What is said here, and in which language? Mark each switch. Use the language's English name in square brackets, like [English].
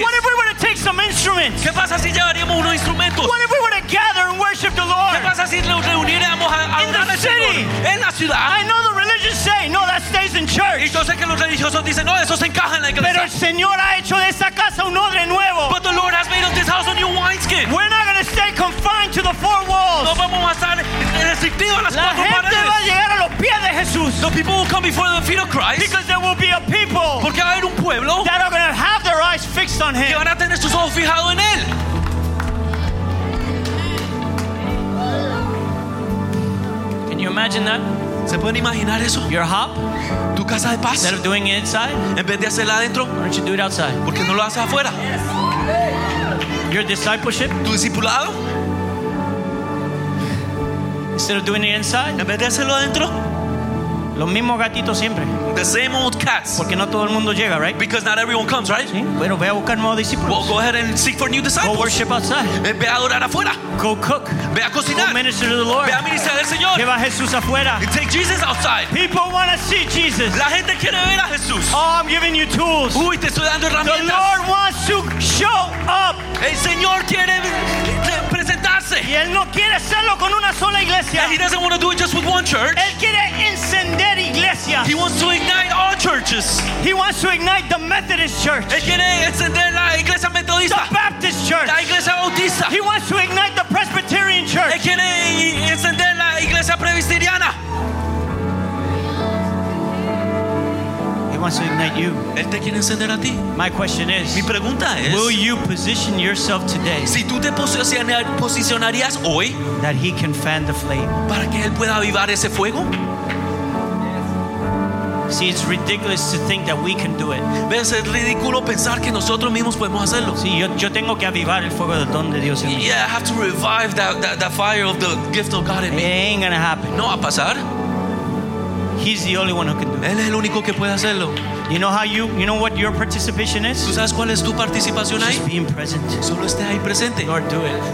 [English] What if we were to take some instruments? [Spanish] ¿Qué pasa si llevaríamos unos instrumentos? [English] What if we were to gather and worship the Lord? [Spanish] ¿Qué pasa si nos reuniéramos a adorar al Señor? [English] In the city. [Spanish] En la ciudad. [English] I know the religious say, no, that stays in church. [Spanish] Y yo sé que los religiosos dicen, no, eso se encaja en la iglesia. Pero el Señor ha hecho de esta casa un odre nuevo. [English] But the Lord has made of this house a new wineskin. We're not going to stay confined to the four walls. [Spanish] No vamos a estar restrictivos a las cuatro paredes. La gente va a llegar a los pies de Jesús. [English] The people will come before the feet of Christ. Because there will be a people. [Spanish] Porque va a haber un pueblo. [English] That are going to have their eyes fixed on him. [Spanish] Que van a tener sus ojos fijados en él. [English] Can you imagine that? [Spanish] ¿Se pueden imaginar eso? [English] Your hop, [Spanish] tu casa de paz. [English] Instead of doing it inside, [Spanish] en vez de hacerla adentro, [English] why don't you do it outside? [Spanish] ¿Por qué no lo haces afuera? [English] Yes. Your discipleship, [Spanish] tu discipulado. [English] Instead of doing it inside, [Spanish] en vez de hacerlo adentro, los mismos gatitos siempre. [English] The same old cats. [Spanish] Porque no todo el mundo llega, [English] right? Because not everyone comes, right? [Spanish] ¿Sí? Bueno, ve a buscar nuevos discípulos. [English] Well, go ahead and seek for new disciples. Go worship outside. [Spanish] Ve a adorar afuera. [English] Go cook. [Spanish] Ve a cocinar. [English] Go minister to the Lord. [Spanish] Ve a ministrar al Señor. Lleva a Jesús afuera. [English] And take Jesus outside. People want to see Jesus. [Spanish] La gente quiere ver a Jesús. [English] Oh, I'm giving you tools. [Spanish] Uy, te estoy dando herramientas. [English] The Lord wants to show up. [Spanish] El Señor quiere presentarse. Y él no quiere hacerlo con una sola iglesia. [English] And he doesn't want to do it just with one church. [Spanish] Él quiere encender iglesias. [English] He wants to ignite all churches. He wants to ignite the Methodist church. [Spanish] Él quiere encender la iglesia metodista. [English] The Baptist church. [Spanish] La iglesia bautista. [English] He wants to ignite the Presbyterian church. [Spanish] Él quiere encender la iglesia presbiteriana. [English] He wants to ignite you. [Spanish] Él te quiere encender a ti. [English] My question is, [Spanish] mi pregunta es, [English] will you position yourself today? [Spanish] Si tú te posicionarías hoy, [English] that he can fan the flame. [Spanish] Para que él pueda avivar ese fuego. [English] See, it's ridiculous to think that we can do it. [Spanish] Ves, es ridículo pensar que nosotros mismos podemos hacerlo. Sí, yo tengo que avivar el fuego del don de Dios en mí. [English] Yeah, I have to revive that fire of the gift of God in me. It ain't gonna happen. [Spanish] No va a pasar. [English] He's the only one who can do it. [Spanish] Él es el único que puede hacerlo. [English] You know how you know what your participation is? [Spanish] ¿Tú sabes cuál es tu participación ahí? [English] Just being present. [Spanish] Solo esté ahí presente. [English] Lord, do it.